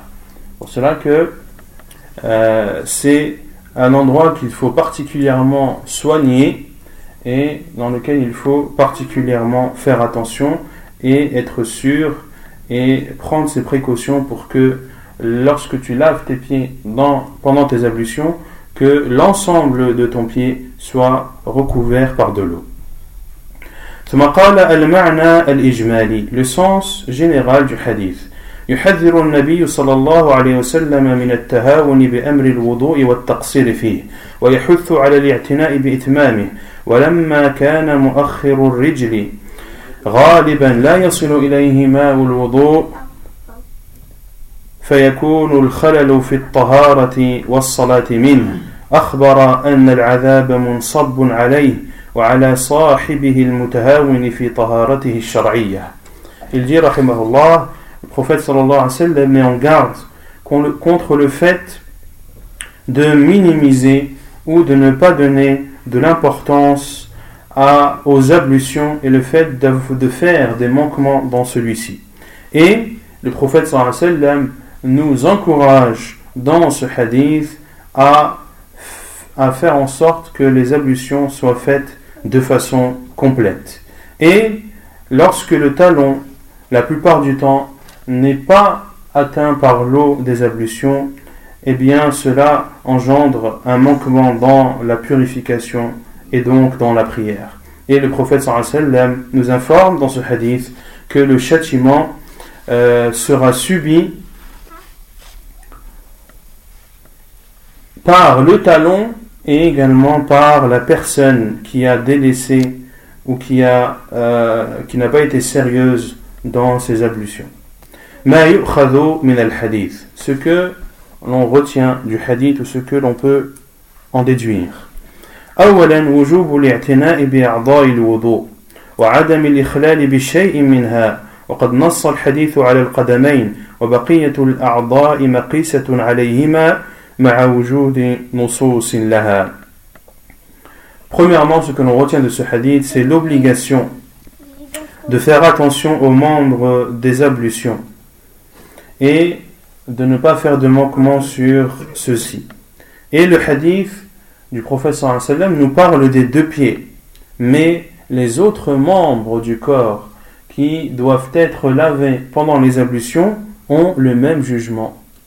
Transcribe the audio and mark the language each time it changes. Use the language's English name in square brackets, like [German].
[French] C'est pour cela que c'est un endroit qu'il faut particulièrement soigner et dans lequel il faut particulièrement faire attention et être sûr et prendre ses précautions pour que lorsque tu laves tes pieds pendant tes ablutions, que l'ensemble de ton pied soit recouvert par de l'eau. [Arabic] ثم قال المعنى الإجمالي [French] le sens général du hadith. [Arabic] يحذر النبي صلى الله عليه وسلم من التهاون بأمر الوضوء والتقصير فيه ويحث على الاعتناء بإتمامه ولما كان مؤخر الرجل غالبا لا يصل إليه ماء الوضوء فيكون الخلل في الطهارة والصلاة منه أخبر أن العذاب منصب عليه وعلى صاحبه المتهاون في طهارته الشرعية الجي رحمه الله [French] Le prophète sallallahu alayhi wa sallam met en garde contre le fait de minimiser ou de ne pas donner de l'importance aux ablutions et le fait de faire des manquements dans celui-ci. Et le prophète sallallahu alayhi wa sallam nous encourage dans ce hadith à faire en sorte que les ablutions soient faites de façon complète. Et lorsque le talon, la plupart du temps, n'est pas atteint par l'eau des ablutions, eh bien cela engendre un manquement dans la purification et donc dans la prière. Et le prophète sallallahu alayhi wa sallam nous informe dans ce hadith que le châtiment sera subi par le talon et également par la personne qui a délaissé ou qui n'a pas été sérieuse dans ses ablutions. [Arabic] ما يؤخذ من الحديث [French] ce que l'on retient du hadith ou ce que l'on peut en déduire. [Arabic] أولا وجوب الاعتناء بأعضاء الوضوء وعدم الإخلال بشيء منها وقد نص الحديث على القدمين وبقية الأعضاء مقيسة عليهما مع وجود نصوص لها. [French] Premièrement, ce que l'on retient de ce hadith, c'est l'obligation de faire attention aux membres des ablutions et de ne pas faire de manquement sur ceux-ci. Et le hadith du prophète sallallahu alayhi wa sallam nous parle des deux pieds, mais les autres membres du corps qui doivent être lavés pendant les ablutions ont le même jugement.